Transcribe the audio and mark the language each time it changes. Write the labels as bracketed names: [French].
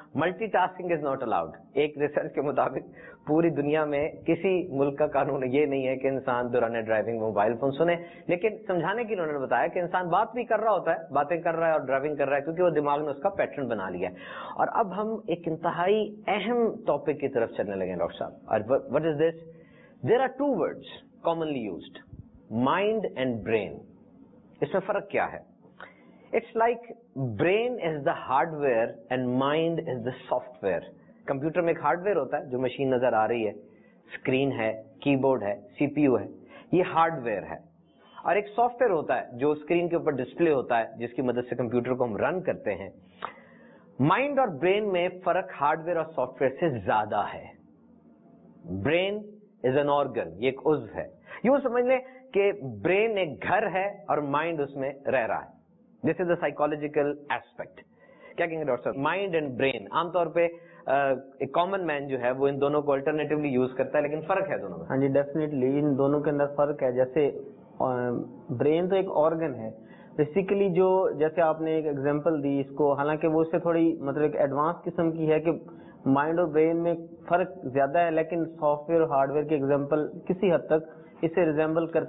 [English] multitasking is not allowed, [Hindi] एक research के मुताबिक पूरी दुनिया में किसी मुल्क का कानून ये नहीं है कि इंसान दौरान ड्राइविंग मोबाइल फोन सुने, लेकिन समझाने के लिए उन्होंने बताया कि इंसान बात भी कर रहा होता है, बातें कर रहा है और ड्राइविंग कर रहा है, क्योंकि वो दिमाग ने उसका पैटर्न बना लिया है। और अब हम एक इंतहाई अहम टॉपिक की तरफ चलने लगे डॉक्टर साहब, और [English] what is this, there are two words commonly used, mind and brain, [Hindi] इसमें फर्क क्या है? [English] It's like brain is the hardware and mind is the software. [Hindi] Computer में एक hardware होता है जो machine नजर आ रही है, screen है, keyboard है, CPU है, ये hardware है। और एक software होता है जो screen के ऊपर display होता है जिसकी मदद से computer को हम run करते हैं। Mind और brain में फर्क hardware और software से ज्यादा है। [English] Brain is an organ, [Hindi] ये एक उज्व है। यूं समझ लें कि brain एक घर है और mind उसमें रह रहा है। [English] This is the psychological aspect. [Hindi] क्या कहेंगे डॉक्टर? [English] Mind and brain. [Hindi] आमतौर पे एक common man जो है वो इन दोनों को alternatively use करता है, लेकिन फर्क है दोनों में। हाँ जी definitely, इन दोनों के अंदर फर्क है। जैसे brain तो एक organ है, basically जो जैसे आपने एक example दी इसको, हालांकि वो इससे थोड़ी मतलब एक advanced किस्म की है कि mind और brain में फर्क ज्यादा है, लेकिन software और hardware के example किसी हद तक इसे resemble